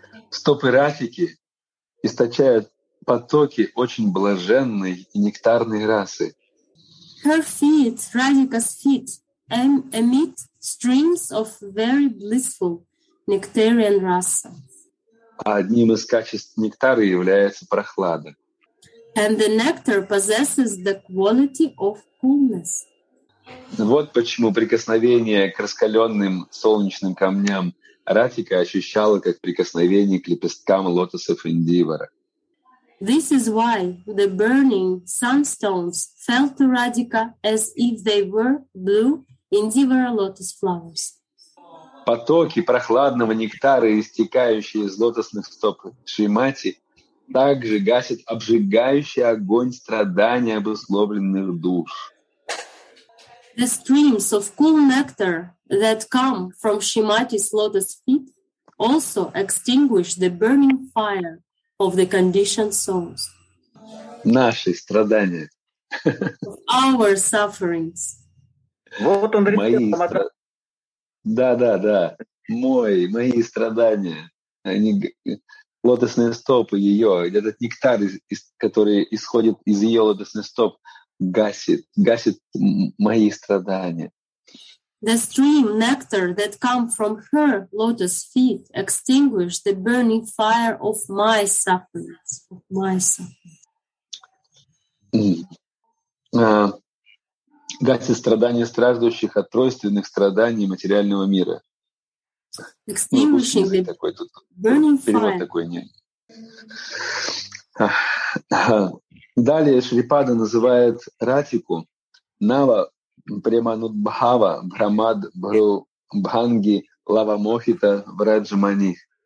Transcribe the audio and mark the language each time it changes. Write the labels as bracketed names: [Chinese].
[Russian] Стопы Рафики источают потоки очень блаженной и нектарной расы. [English] Her feet, Radhika's feet, emit streams of very blissful nectarian rasa. [Russian] Одним из качеств нектара является прохлада. [English] And the nectar possesses the quality of coolness. [Russian] Вот почему прикосновение к раскаленным солнечным камням Радхика ощущала как прикосновение к лепесткам лотосов Индивара. [English] This is why the burning sunstones felt to Radhika as if they were blue Indivara lotus flowers. [Russian] Потоки прохладного нектара, истекающие из лотосных стоп Шримати, также гасят обжигающий огонь страданий обусловленных душ. [English] the streams of cool nectar that come from Shrimati's lotus feet also extinguish the burning fire of the conditioned souls. [Russian] Наши страдания. [English] Our sufferings. [Russian] Вот он рецепт. Да. Мои страдания. Они лотосные стопы ее. Этот нектар, который исходит из ее лотосных стоп, гасит мои страдания. [English] The stream nectar that come from her lotus feet extinguish the burning fire of my sufferings. [Russian] Гасит страдания страждущих от тройственных страданий материального мира. [English] Extinguishing the [Russian] такой, тут, [English] burning fire. [Russian] Перевод такой, нет. Далее Шрипада называет Ратику Нава Преманудбхава Брамад Бру Бханги Лавамохита Враджмани.